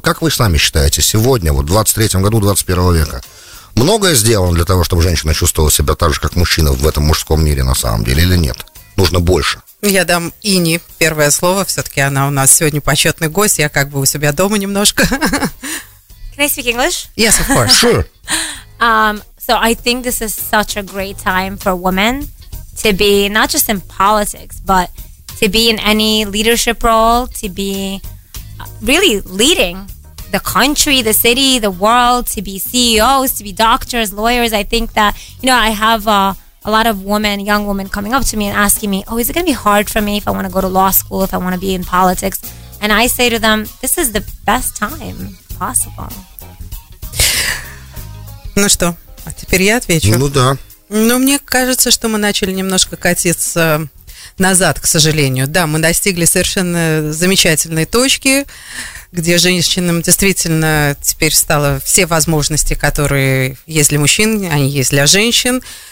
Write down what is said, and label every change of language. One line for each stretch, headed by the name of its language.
Russian: Как вы сами считаете, сегодня, вот в 23-м году 21 века, многое сделано для того, чтобы женщина чувствовала себя так же, как мужчина в этом мужском мире на самом деле, или нет? Нужно больше. Я дам Ине первое слово. Все-таки она у нас сегодня почетный гость. Я как бы у себя дома немножко.
English: Can I speak English? Yes, of course. Sure. So I think this is such a great time for women to be not just in politics, but to be in any leadership role, to be really leading the country, the city, the world, to be CEOs, to be doctors, lawyers. I think that, you know, I have a lot of women, young women coming up to me and asking me, oh, is it going to be hard for me if I want to go to law school, if I want to be in politics? And I say to them, this is the best time possible.
Russian: Ну что, а теперь я отвечу. Ну да. Ну, мне кажется, что мы начали немножко катиться назад, к сожалению. Да, мы достигли совершенно замечательной точки, где женщинам действительно теперь стало все возможности, которые есть для мужчин, они есть для женщин.